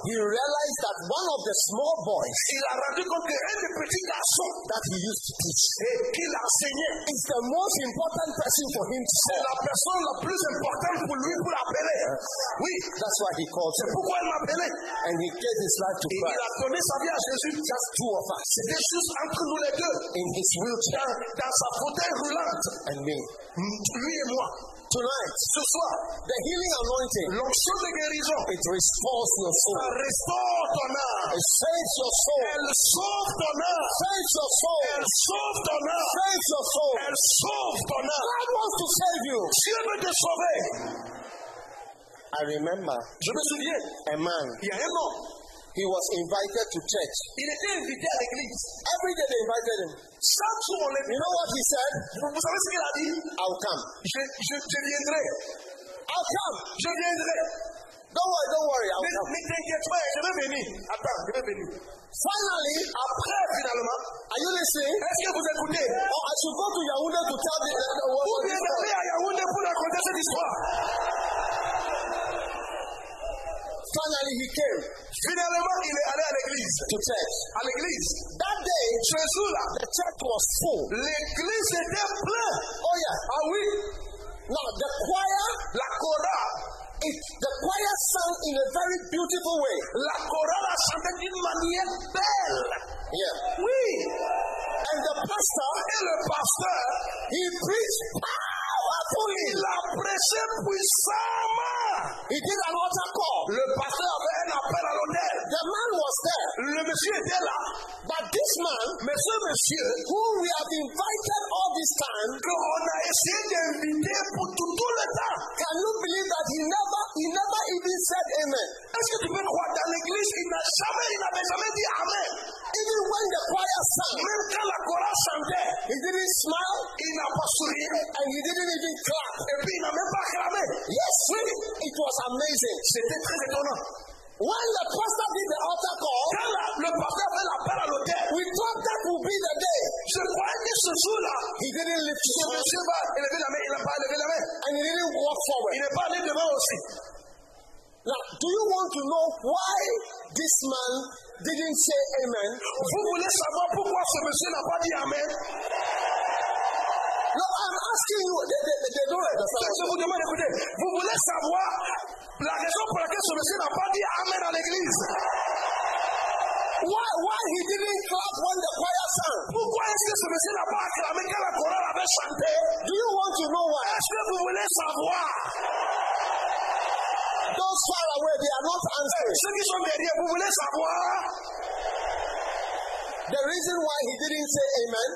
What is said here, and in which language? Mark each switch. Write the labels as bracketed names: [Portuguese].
[English] He realized that one of the small boys. [French] Il a rendu compte qu'un des petits garçons. [English] That he used to teach. [French] Et qu'il a enseigné. [English] Is the most important person for him to serve. [French] La personne la plus importante pour lui pour l'appeler. [English] Yes. [French] Oui. [English] That's why he called. [French] C'est pourquoi il m'a appelé. [English] And he gave his life to Christ. [French] Et il a donné sa vie à Jésus. [English] Just two of us. [French] C'était juste entre nous les deux. [English] In his wheelchair. [French] Dans sa fauteuil roulante. [English] And me. [French] Lui et moi. [English] Tonight, [French] ce soir, [English] the healing anointing, [French] l'onction de guérison, [English] it restores your soul. [French] Ça restaure ton âme. [English] It saves your soul. [French] Elle sauve ton âme. [English] It saves your soul. [French] Elle sauve ton âme. [English] It saves your soul. [French] Elle sauve ton âme. [English] God wants to save you. [French] Dieu veut te sauver. [English] I remember. [French] Je me souviens. [English] A man. [French] Il y a un homme. [English] He was invited to church. [French] Il était invité à l'église. [English] Every day they invited him. [French] Chaque jour, on l'invite. [English] You know what he said? [French] Vous savez ce qu'il a dit? [English] I'll come. [French] Je viendrai. [English] I'll come. [French] Je viendrai. [English] Don't worry, I'll come. [French] Mais t'inquiète pas, je vais venir. Attends, je vais venir. [English] Finally, [French] après, finalement, [English] are you listening? [French] Est-ce que vous écoutez? [English] Oh, I should go to Yaoundé to tell the world. [French] Ou bien d'aller à Yaoundé pour raconter cette histoire. [English] Finally, he came. [French] Finalement, il est allé à l'église. [English] To church. [French] À l'église. [English] That day, [French] ce jour-là, [English] the church was full. [French] L'église était pleine. [English] Oh yeah. [French] Ah oui. [English] Now, the choir, [French] la chora, [English] the choir sang in a very beautiful way. [French] La chora la chantait d'une manière belle. [English] Yeah. [French] Oui. [English] And the pastor, [French] et le pasteur, [English] he preached powerfully. [French] Il a prêché puissamment. [English] He did an altar call. [French] Le pasteur avait un appel à l'autel. [English] The man was there. [French] Le monsieur était là. [English] But this this man, [French] Monsieur, Monsieur, [English] who we have invited all this time, [French] qu'on a essayé d'inviter pour tout, tout le temps, [English] can you believe that he never even said amen? [French] Est-ce que tu peux croire dans l'église, il n'avait jamais dit amen? [English] Even when the choir sang, [French] même quand la chorale chantait, [English] he didn't smile, [French] il n'a pas souri, [English] and he didn't even clap, [French] et puis il n'a même pas clamé. [English] Yes, really, it was amazing. [French] C'était très étonnant. [English] When the pastor did the altar call, [French] quand le pasteur fait l'appel à l'autel, [English] we thought that would be the day. [French] Je croyais que ce jour-là, [English] he didn't lift his hand. [French] Monsieur va élever la main, il n'a pas élevé la main. [English] And he didn't walk forward. [French] Il n'est pas allé devant aussi. [English] Now, do you want to know why this man didn't say amen? [French] Vous voulez savoir pourquoi ce monsieur n'a pas dit amen? [English] No, I'm asking you. They don't understand. [French] Je vous demande, écoutez, vous voulez savoir la raison pour laquelle ce monsieur n'a pas dit amen à l'église? [English] Why he didn't clap when the choir sang? [French] Pourquoi est-ce que ce monsieur n'a pas acclamé quand la chorale avait chanté? [English] Do you want to know why? [French] Est-ce que vous voulez savoir? [English] Those far away, they are not answering. [French] Ceux qui sont derrière, vous voulez savoir? [English] The reason why he didn't say amen,